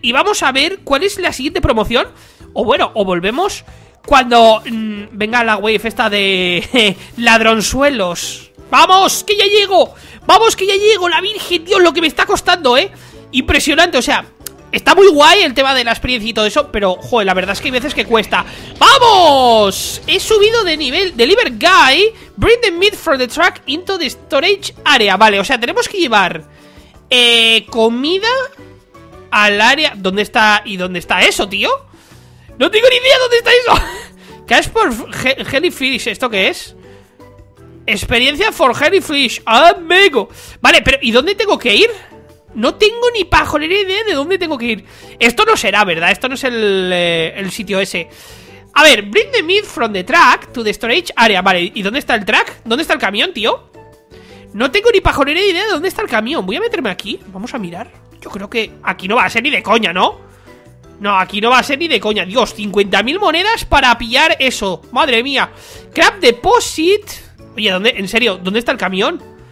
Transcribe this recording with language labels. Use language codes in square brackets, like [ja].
[es] Y vamos a ver cuál es la siguiente promoción. O bueno, o volvemos cuando venga la wave esta de ladronzuelos. ¡Vamos! ¡Que ya llego! ¡Vamos, que ya llego! ¡La virgen, Dios! Lo que me está costando, ¿eh? Impresionante, o sea... Está muy guay el tema de la experiencia y todo eso, pero, joder, la verdad es que hay veces que cuesta. ¡Vamos! He subido de nivel. [en] Deliver guy, bring the meat from the truck into the storage area. [es] Vale, o sea, tenemos que llevar comida al área. ¿Dónde está? ¿Y dónde está eso, tío? ¡No tengo ni idea dónde está eso! [en] Cash for jellyfish, [es] ¿esto qué es? Experiencia for jellyfish, amigo. Vale, pero ¿y dónde tengo que ir? No tengo ni pajolera idea de dónde tengo que ir. Esto no será, ¿verdad? Esto no es el sitio ese. A ver, [en] bring the meat from the truck to the storage area. [es] Vale, ¿y dónde está el truck? ¿Dónde está el camión, tío? No tengo ni pajolera idea de dónde está el camión. Voy a meterme aquí, vamos a mirar. Yo creo que aquí no va a ser ni de coña, ¿no? No, aquí no va a ser ni de coña. Dios, 50.000 monedas para pillar eso. Madre mía. Crab deposit. Oye, ¿dónde? ¿En serio? ¿Dónde está el camión?